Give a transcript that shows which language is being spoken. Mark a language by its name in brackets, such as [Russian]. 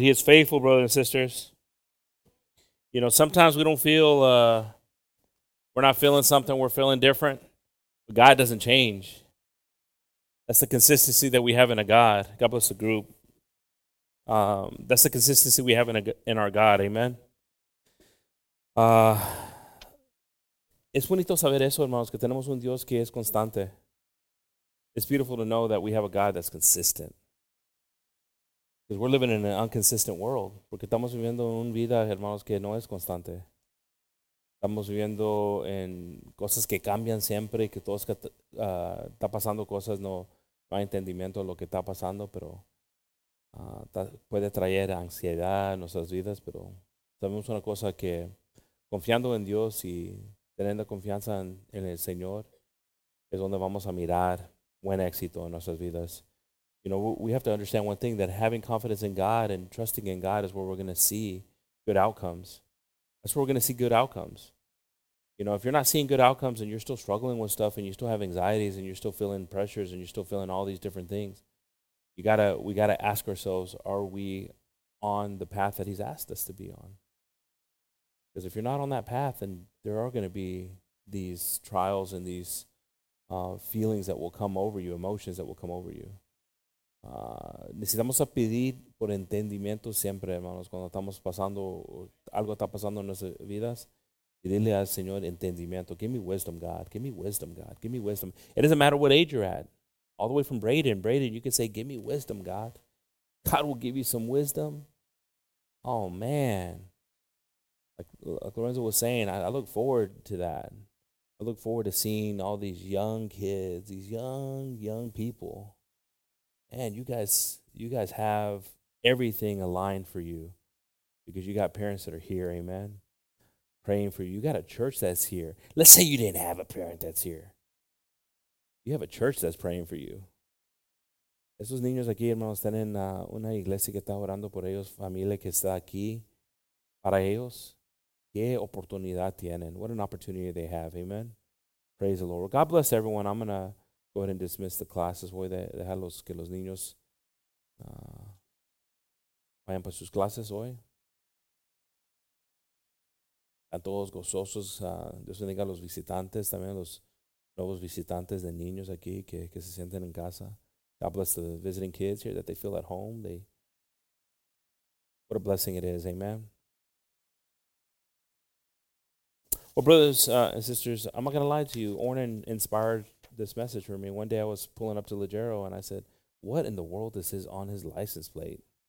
[English] He is faithful, brothers and sisters. You know, sometimes we don't feel, we're not feeling something, we're feeling different. But God doesn't change. That's the consistency that we have in a God. God bless the group. That's the consistency we have in our God. Amen. [Spanish] Es bonito saber eso, hermanos, que tenemos un Dios que es constante. [English] It's beautiful to know that we have a God that's consistent. Because we're living in an inconsistent world. [Spanish] Porque estamos viviendo una vida, hermanos, que no es constante. Estamos viviendo en cosas que cambian siempre, que todo está pasando cosas, no hay entendimiento de lo que está pasando, pero puede traer ansiedad en nuestras vidas, pero sabemos una cosa, que confiando en Dios y teniendo confianza en el Señor es donde vamos a mirar buen éxito en nuestras vidas. [English] You know, we have to understand one thing, that having confidence in God and trusting in God is where we're going to see good outcomes. That's where we're going to see good outcomes. You know, if you're not seeing good outcomes and you're still struggling with stuff and you still have anxieties and you're still feeling pressures and you're still feeling all these different things, we gotta ask ourselves, are we on the path that he's asked us to be on? Because if you're not on that path, then there are going to be these trials and these feelings that will come over you, emotions that will come over you. [Spanish] Necesitamos a pedir por entendimiento siempre, hermanos, cuando estamos pasando, algo está pasando en nuestras vidas, pedirle al Señor entendimiento. [English] Give me wisdom, God. Give me wisdom, God. Give me wisdom. It doesn't matter what age you're at. All the way from Braden, you can say, give me wisdom, God. God will give you some wisdom. Oh, man. Like Lorenzo was saying, I look forward to that. I look forward to seeing all these young kids, these young people. Man, you guys have everything aligned for you, because you got parents that are here, amen, praying for you. You got a church that's here. Let's say you didn't have a parent that's here. You have a church that's praying for you. [Spanish] Esos niños aquí, hermanos, tienen una iglesia que está orando por ellos, familia que está aquí para ellos. ¿Qué oportunidad tienen? [English] What an opportunity they have, amen. Praise the Lord. God bless everyone. I'm going to go ahead and dismiss the classes. [Spanish] Voy a dejar que los niños vayan para sus clases hoy. A todos gozosos. Dios bendiga a los visitantes, también a los nuevos visitantes de niños aquí que se sienten en casa. [English] God bless the visiting kids here, that they feel at home. What a blessing it is. Amen. Well, brothers and sisters, I'm not going to lie to you. Ornan inspired this message for me. One day I was pulling up to Lajero and I said, what in the world is this on his license plate?